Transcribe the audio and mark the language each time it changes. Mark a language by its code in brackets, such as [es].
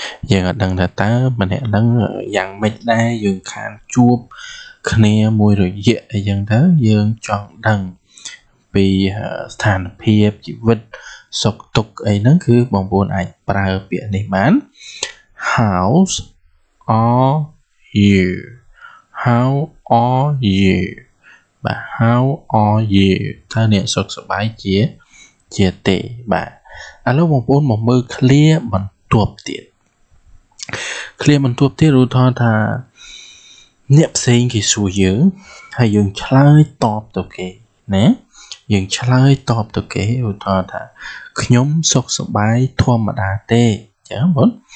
[km] យើងអត់ដឹងថាតើម្នាក់ហ្នឹងយ៉ាងម៉េចដែរយើងខានជួបគ្នាមួយរយៈអីចឹងទៅយើងចង់ដឹងពីស្ថានភាពជីវិតសុខទុក្ខអីហ្នឹងគឺបងប្អូនអាចប្រើពាក្យនេះបាន [en] How are you? How are you? បាទ How are you? [km] តើអ្នកសុខសប្បាយជាទេបាទឥឡូវបងប្អូនមកមើល clear បន្ទាប់ទៀត clear បន្ទាប់ទៀតរួចថាអ្នកផ្សេងគេសួរយើងហើយយើងឆ្លើយតបទៅគេណាយើងឆ្លើយតបទៅគេឧទាហរណ៍ថាខ្ញុំសុខសប្បាយធម្មតាទេចាបង